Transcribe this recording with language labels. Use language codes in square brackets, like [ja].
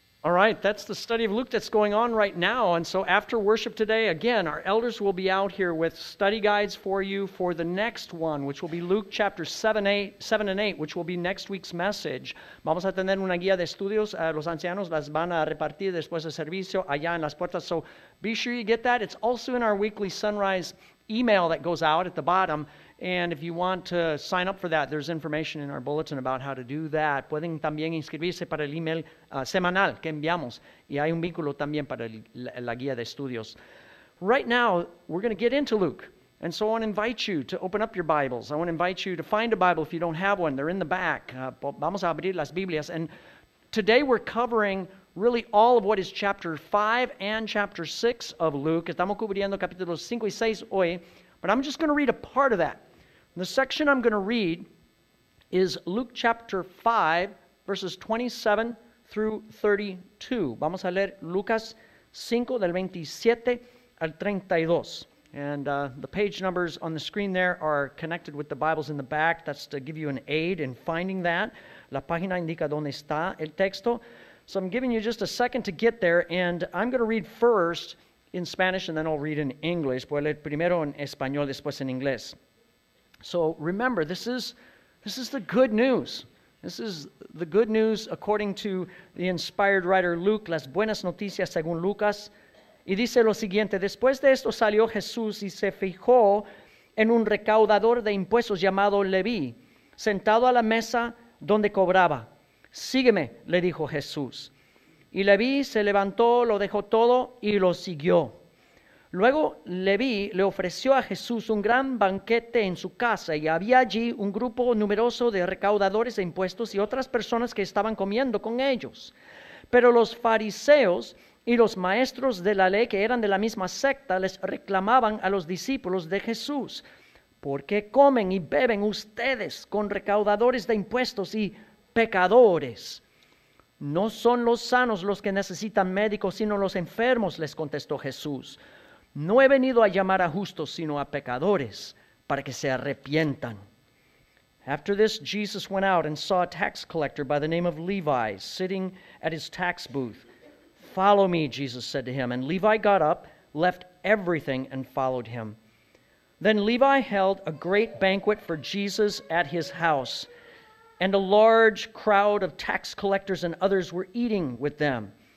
[en] All right, that's the study of Luke that's going on right now. And so after worship today, again, our elders will be out here with study guides for you for the next one, which will be Luke chapter 7 and 8, which will be next week's message. [es] Vamos a tener una guía de estudios. Los ancianos las van a repartir después del servicio allá en las puertas. [en] So be sure you get that. It's also in our weekly sunrise email that goes out at the bottom. And if you want to sign up for that, there's information in our bulletin about how to do that. [es] Pueden también inscribirse para el email semanal que enviamos. Y hay un vínculo también para la guía de estudios. [en] Right now, we're going to get into Luke. And so I want to invite you to open up your Bibles. I want to invite you to find a Bible if you don't have one. They're in the back. [es] Vamos a abrir las Biblias. [en] And today we're covering really all of what is chapter 5 and chapter 6 of Luke. [es] Estamos cubriendo capítulos 5 y 6 hoy. [en] But I'm just going to read a part of that. And the section I'm going to read is Luke chapter 5, verses 27 through 32. [es] Vamos a leer Lucas 5, del 27 al 32. [en] And the page numbers on the screen there are connected with the Bibles in the back. That's to give you an aid in finding that. [es] La página indica dónde está el texto. [en] So I'm giving you just a second to get there, and I'm going to read first in Spanish, and then I'll read in English. [es] Voy a leer primero en español, después en inglés. [en] So remember, this is the good news. This is the good news according to the inspired writer Luke, [es] las buenas noticias según Lucas. Y dice lo siguiente: después de esto salió Jesús y se fijó en un recaudador de impuestos llamado Leví, sentado a la mesa donde cobraba. Sígueme, le dijo Jesús. Y Leví se levantó, lo dejó todo y lo siguió. Luego Leví le ofreció a Jesús un gran banquete en su casa y había allí un grupo numeroso de recaudadores de impuestos y otras personas que estaban comiendo con ellos. Pero los fariseos y los maestros de la ley que eran de la misma secta les reclamaban a los discípulos de Jesús, ¿por qué comen y beben ustedes con recaudadores de impuestos y pecadores? No son los sanos los que necesitan médicos, sino los enfermos, les contestó Jesús. No he venido a llamar a justos, sino a pecadores, para que se arrepientan. [en] After this, Jesus went out and saw a tax collector by the name of Levi sitting at his tax booth. Follow me, Jesus said to him, and Levi got up, left everything, and followed him. Then Levi held a great banquet for Jesus at his house, and a large crowd of tax collectors and others were eating with them.